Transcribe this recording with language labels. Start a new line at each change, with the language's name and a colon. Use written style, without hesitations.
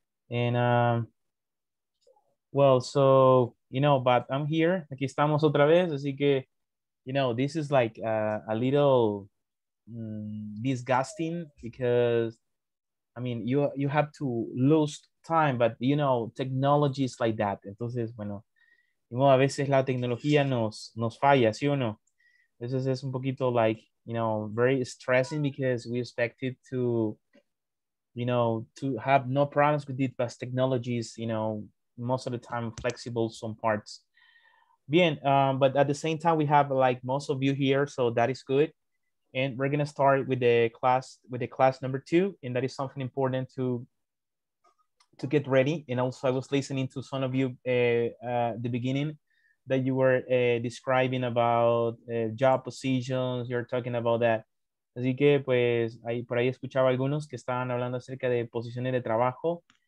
English: And, well, so, you know, but I'm here.
Spanish: Aquí estamos otra vez, así que,
English: you know, this is like a little disgusting because, I mean, you have to lose time, but you know, technology is like that.
Spanish: Entonces, bueno, a veces la tecnología nos falla, ¿sí o no?
English: This is
Spanish: un poquito
English: like, you know, very stressing because we expected to, you know, to have no problems with it, but technology is, you know, most of the time flexible some parts. Bien, but at the same time, we have like most of you here, so that is good. And we're gonna start with the class number two, and that is something important to get ready. And also, I was listening to some of you the beginning that you were describing about job positions. You're talking about that.
Spanish: Así que pues ahí por ahí escuchaba algunos que estaban hablando acerca de posiciones de trabajo.